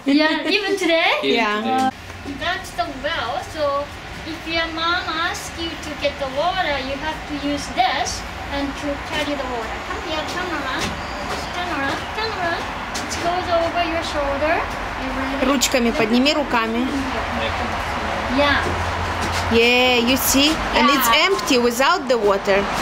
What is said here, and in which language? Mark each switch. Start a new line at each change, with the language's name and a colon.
English: Yeah. Even today? Yeah. That's the well. So if your mom asks you to get the water, you have to use this and to carry the water. Come here, turn around. Turn around. It goes over your shoulder.
Russian: Ручками подними руками.
English: Yeah. Yeah, you see? Yeah. And it's empty without the water.